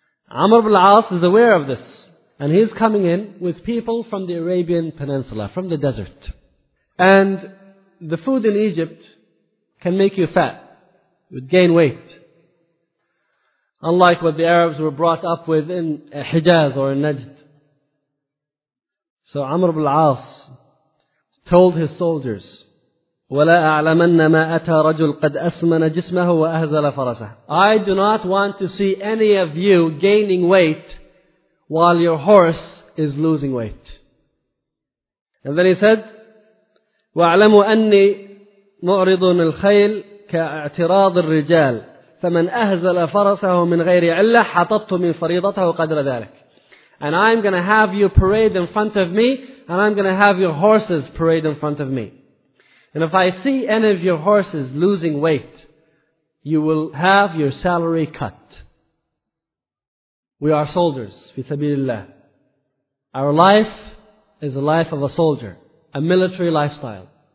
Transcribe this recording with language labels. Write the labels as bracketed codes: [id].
[en] Amr ibn al-As is aware of this. And he's coming in with people from the Arabian Peninsula, from the desert. And the food in Egypt can make you fat. You would gain weight. Unlike what the Arabs were brought up with in Hijaz or in Najd. So Amr ibn al-As told his soldiers, [ar] وَلَا أَعْلَمَنَّ مَا أَتَى رَجُلْ قَدْ أَسْمَنَ جِسْمَهُ وَأَهْزَلَ فَرَسَهُ. [en] I do not want to see any of you gaining weight while your horse is losing weight. And then he said, [ar] وَأَعْلَمُ أَنِّي مُعْرِضُنِ الْخَيْلِ كَاَعْتِرَاضِ الرِّجَالِ فَمَنْ أَهْزَلَ فَرَسَهُ مِنْ غَيْرِ عِلَّهِ حَطَطْتُ مِنْ فَرِيضَتَهُ قَدْرَ ذَلَكَ. [en] And I'm going to have you parade in front of me, and I'm going to have your horses parade in front of me. And if I see any of your horses losing weight, you will have your salary cut. We are soldiers, fi sabilillah. Our life is the life of a soldier, a military lifestyle.